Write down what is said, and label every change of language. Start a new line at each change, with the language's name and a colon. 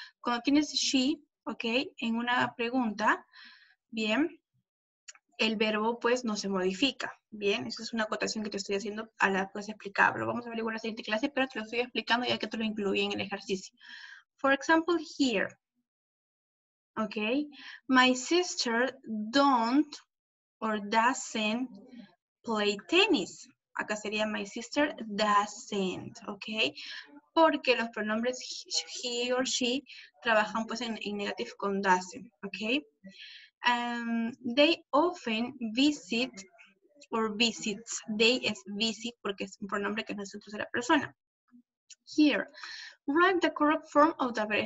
Spanish: Cuando tienes she, ok, en una pregunta, bien, el verbo pues no se modifica. Bien, esa es una acotación que te estoy haciendo a la clase explicada. Lo vamos a ver igual en la siguiente clase, pero te lo estoy explicando ya que te lo incluí en el ejercicio.
English: For example, here. Okay, my sister don't or doesn't play tennis.
Spanish: Acá sería
English: my sister doesn't, okay?
Spanish: Porque los pronombres he or she trabajan pues en negative con doesn't, okay?
English: They often visit or visits. They is visit
Spanish: porque es un pronombre que no es en tercera persona.
English: Here, write the correct form of the verb.